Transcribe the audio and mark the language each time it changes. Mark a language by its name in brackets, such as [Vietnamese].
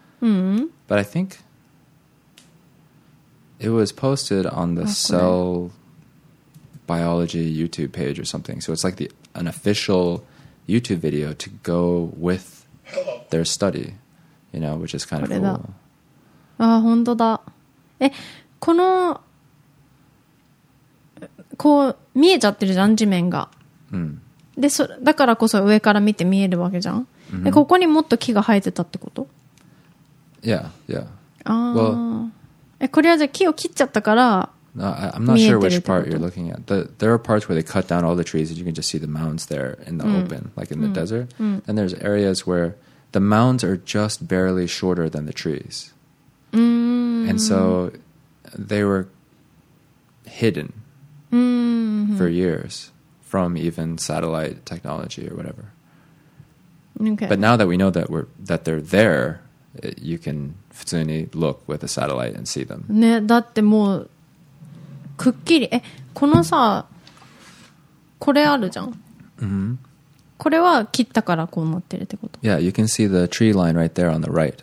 [English] But I thinkIt was posted on the Cell Biology YouTube page or something. So it's like an official YouTube video to go with their study, you know, which is kind of cool. [Japanese] Ah, 本当だ。え、この、こう、見えちゃってるじゃん、地面が。で、だからこそ上から見て見えるわけじゃん。え、ここにもっと木が生えてたってこと？ [English] Yeah, yeah. [Japanese] Ah.、Well,これはじゃあ木を切っちゃったから見えてるってこと? [English] I'm not sure which part you're looking at. There are parts where they cut down all the trees and you can just see the mounds there in the open, like in the desert. And there's areas where the mounds are just barely shorter than the trees. And so they were hidden for years from even satellite technology or whatever. Okay. But now that we know that they're there, you can... [Japanese] 普通に [English] look with a satellite and see them. [Japanese] ね、だってもうくっきり、え、このさ、これあるじゃん。これは切ったからこうなってるってこと。 [English] Yeah, you can see the tree line right there on the right.